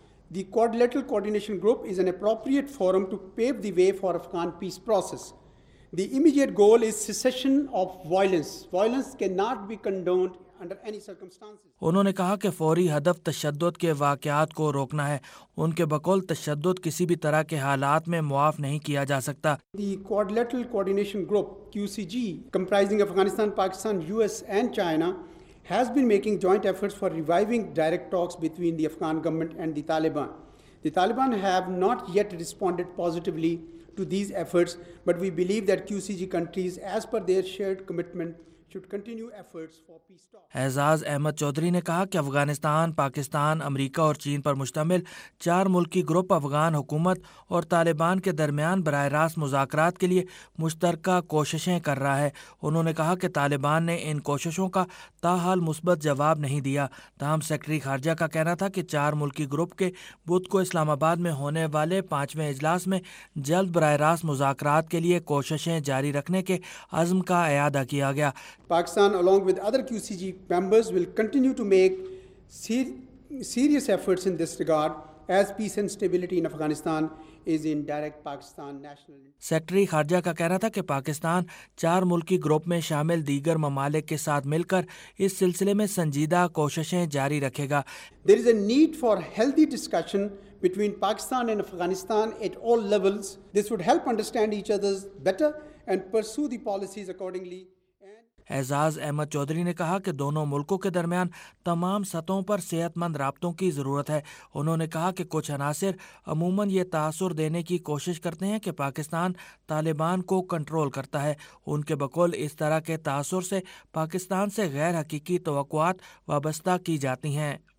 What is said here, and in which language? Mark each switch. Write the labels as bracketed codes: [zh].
[en] The quadrilateral coordination group is an appropriate forum to pave the way for Afghan peace process. The immediate goal is cessation of violence. Violence cannot be condoned under any circumstances. [ur] انہوں نے کہا کہ فوری ہدف تشدد کے واقعات کو روکنا ہے. ان کے بقول تشدد کسی بھی طرح کے حالات میں معاف نہیں کیا جا سکتا. [en] The quadrilateral coordination group QCG comprising Afghanistan, Pakistan, US and China has been making joint efforts for reviving direct talks between the Afghan government and the Taliban. The Taliban have not yet responded positively to these efforts, but we believe that QCG countries, as per their shared commitment, should continue efforts for peace talks. [ur] اعزاز احمد چودھری نے کہا کہ افغانستان، پاکستان، امریکہ اور چین پر مشتمل 4 ملکی group Afghan حکومت اور طالبان کے درمیان براہ راست مذاکرات کے لیے مشترکہ کوششیں کر رہا ہے. انہوں نے کہا کہ طالبان نے ان کوششوں کا تاحال مثبت جواب نہیں دیا. تاہم سیکرٹری خارجہ کا کہنا تھا کہ 4 ملکی گروپ کے بدھ کو اسلام آباد میں ہونے والے 5ویں اجلاس میں جلد براہ راست مذاکرات کے لیے کوششیں جاری رکھنے کے عزم کا اعادہ کیا گیا. [en] Pakistan along with other QCG members will continue to make serious efforts in this regard as peace and stability in Afghanistan is in direct Pakistan national interest. [ur] Secretary خارجہ کا کہنا تھا کہ پاکستان 4 ملکی گروپ میں شامل دیگر ممالک کے ساتھ مل کر اس سلسلے میں سنجیدہ کوششیں جاری رکھے گا. [en] There is a need for healthy discussion between Pakistan and Afghanistan at all levels. This would help understand each other better and pursue the policies accordingly. [ur] اعزاز احمد چودھری نے کہا کہ دونوں ملکوں کے درمیان تمام سطحوں پر صحت مند رابطوں کی ضرورت ہے. انہوں نے کہا کہ کچھ عناصر عموماً یہ تاثر دینے کی کوشش کرتے ہیں کہ پاکستان طالبان کو کنٹرول کرتا ہے. ان کے بقول اس طرح کے تاثر سے پاکستان سے غیر حقیقی توقعات وابستہ کی جاتی ہیں.